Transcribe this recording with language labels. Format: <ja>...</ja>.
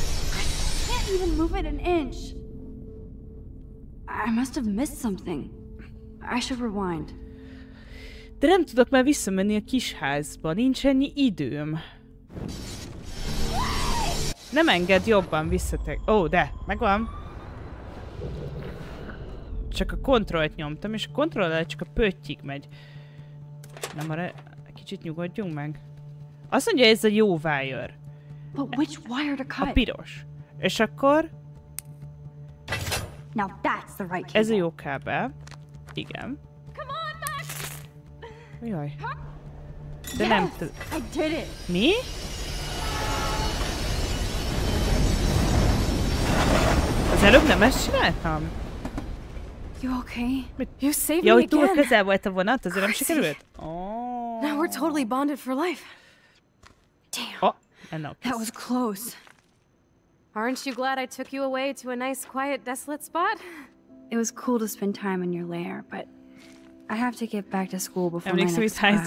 <en>I can't even move it an inch. I must have missed something. I should rewind.</en> <hu>De nem tudok már visszamenni a kis házba. Nincs ennyi időm. Nem enged jobban visszatek. Ó, de! Megvan! Csak a kontrollt nyomtam, és a kontrollal csak a pöttyig megy. Na már kicsit nyugodjunk meg. Azt mondja, ez a jó wire.</hu> <en>But which wire to cut?</en> <hu>A piros. És akkor...</hu> <en>Now that's the right</en> <hu>cable. Ez a jó kábel. Igen.</hu> <en>Come on, Max!</en> <hu>Jaj.</hu> <en>De yes, nem tudom. I did it.</en> <hu>Mi? Az előbb nem ezt csináltam?</hu> <en>You okay? You saved me again.</en> <hu>Jaj, túl közel volt a vonat, azért nem sikerült.</hu> <en>Oh. Now we're totally bonded for life. Damn. Oh, that was close. Aren't you glad I took you away to a nice, quiet, desolate spot? It was cool to spend time in your lair, but I have to get back to school before my next class.</en>